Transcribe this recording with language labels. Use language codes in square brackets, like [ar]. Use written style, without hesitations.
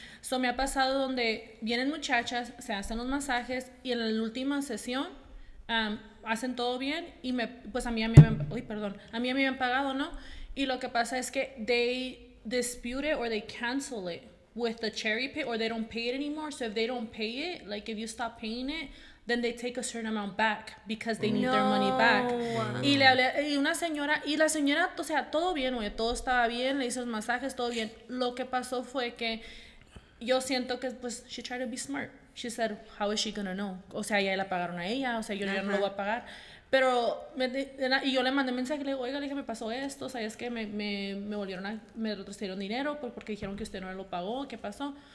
[es] So me ha pasado donde vienen muchachas, se hacen los masajes y en la última sesión hacen todo bien y a mí me han pagado, ¿no? Y lo que pasa es que [en] they dispute it or they cancel it with the Cherry Pay or they don't pay it anymore. So if they don't pay it, like if you stop paying it, then they take a certain amount back because they need their money back. [es] Y le hablé, y la señora, o sea, todo bien, güey, todo estaba bien, le hice los masajes, todo bien. Lo que pasó fue que yo siento que, pues, [en] she tried to be smart. She said, how is she gonna know? [es] O sea, ya la pagaron a ella, o sea, yo ya no lo voy a pagar. Pero, y yo le mandé mensaje, le digo, oiga, le dije, me pasó esto, o sea, es que me retrocedieron dinero porque dijeron que usted no lo pagó, ¿qué pasó?